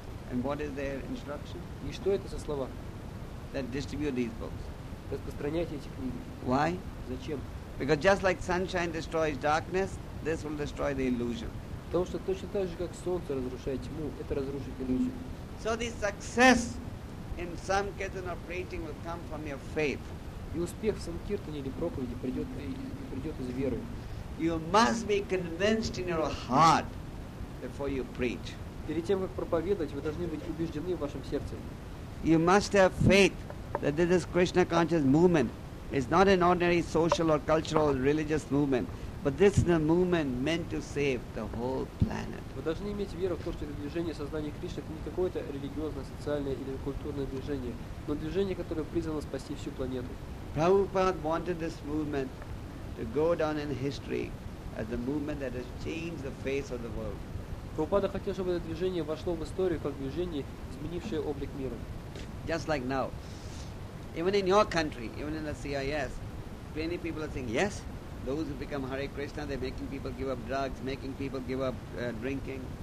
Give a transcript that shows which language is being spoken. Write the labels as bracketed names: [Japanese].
[English] And what is their instruction? [Russian] И что это за слова? [English] That distribute these books. [Russian] Распространяйте эти книги. [English] Why? [Russian] Зачем? [English] Because just like sunshine destroys darkness, this will destroy the illusion. [Russian] Потому что точно так же, как солнце разрушает тьму, это разрушит иллюзию. [English] So the success in sankirtan or preaching will come from your faith. [Russian] И успех в санкиртане или проповеди придет из веры. [English] You must be convinced in your heart before you preach. [Russian] Перед тем как проповедовать, вы должны быть убеждены в вашем сердце. [English] You must have faith that this Krishna conscious movement is not an ordinary social or cultural or religious movement, but this is a movement meant to save the whole planet. [Russian] Вы должны иметь веру в то, что это движение сознания Кришны это не какое-то религиозное, социальное или культурное движение, но движение, которое призвано спасти всю планету. [English] Prabhupada wanted this movement to go down in history as the movement that has changed the face of the world. [Russian] Prabhupada хотел, чтобы это движение вошло в историю как движение, изменившее облик мира. [English] Just like now, even in your country, even in the CIS, many people are saying, yes, those who become Hare Krishna, they're making people give up drugs, making people give up drinking.